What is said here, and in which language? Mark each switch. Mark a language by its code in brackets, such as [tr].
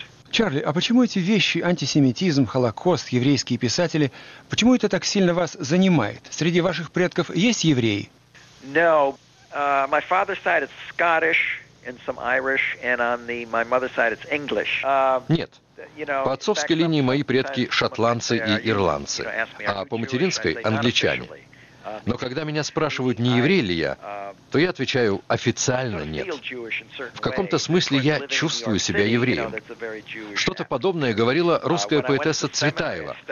[ru] Чарли, а почему эти вещи, антисемитизм, Холокост, еврейские писатели, почему это так сильно вас занимает? Среди ваших предков есть евреи? [en] No, my father's side is Scottish and some Irish, and on the my mother's side it's English. [ru] Нет. По отцовской линии мои предки шотландцы и ирландцы, а по материнской – англичане. Но когда меня спрашивают, не еврей ли я, то я отвечаю – официально нет. В каком-то смысле я чувствую себя евреем. Что-то подобное говорила русская поэтесса Цветаева.